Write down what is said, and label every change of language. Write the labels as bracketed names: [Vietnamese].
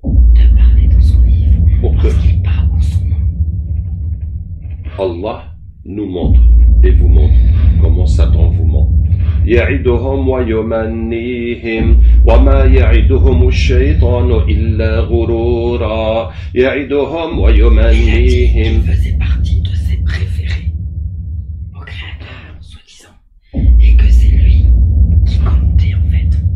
[French] De parler dans son livre. Pourquoi? Parce qu'il parle en son nom. Allah nous montre et vous montre comment Satan vous ment. [Arabic] يعدهم ويمنيهم وما يعدهم الشيطان إلا غرورا. يعدهم ويمنيهم. [French] Il a dit qu'il faisait partie de ses préférés au créateur, soi-disant, et que c'est lui qui commentait en fait.